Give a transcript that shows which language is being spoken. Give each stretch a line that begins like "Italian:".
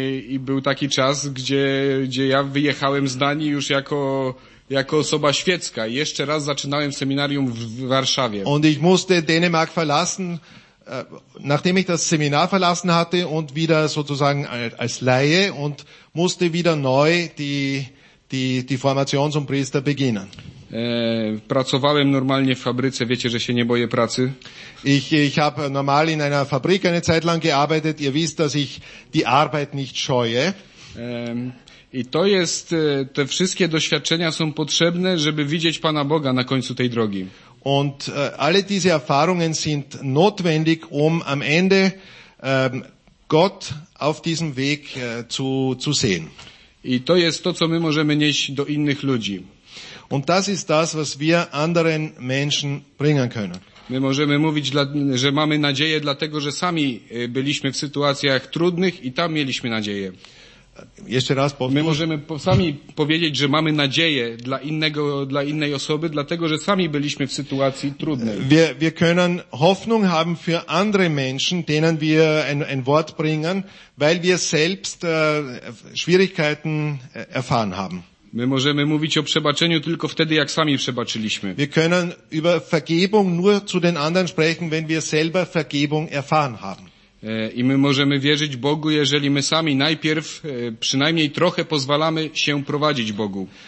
Polish: I był taki czas, gdzie ja wyjechałem z Danii już jako osoba świecka. Jeszcze raz zaczynałem seminarium w Warszawie.
German: Und ich musste Dänemark verlassen, nachdem ich das Seminar verlassen hatte und wieder sozusagen als Laie und musste wieder neu die Formation zum Priester beginnen.
Polish: Pracowałem normalnie w fabryce, wiecie, że się nie boję pracy.
German: Ich habe normal in einer Fabrik eine Zeit lang gearbeitet. Ihr wisst, dass ich die Arbeit nicht scheue.
Polish: I to jest, te wszystkie doświadczenia są potrzebne, żeby widzieć Pana Boga na końcu tej drogi.
German: Und alle diese Erfahrungen sind notwendig, um am Ende Gott auf diesem Weg zu sehen.
Polish: I to jest to, co my możemy nieść do innych ludzi.
German: Und das ist das, was wir anderen Menschen bringen können.
Polish: My możemy mówić, że mamy nadzieję, dlatego że sami byliśmy w sytuacjach trudnych i tam mieliśmy nadzieję. Jeszcze raz powtórzę. My możemy sami powiedzieć, że mamy nadzieję dla innej osoby, dlatego że sami byliśmy w sytuacji trudnej.
German: Wir können Hoffnung haben für andere Menschen, denen wir ein Wort bringen, weil wir selbst Schwierigkeiten erfahren haben.
Polish: My możemy mówić o przebaczeniu tylko wtedy, jak sami przebaczyliśmy.
German: Wir können über Vergebung nur zu den anderen sprechen, wenn wir selber Vergebung erfahren haben.
Polish: I my możemy wierzyć Bogu, jeżeli my sami najpierw przynajmniej trochę pozwalamy się prowadzić Bogu.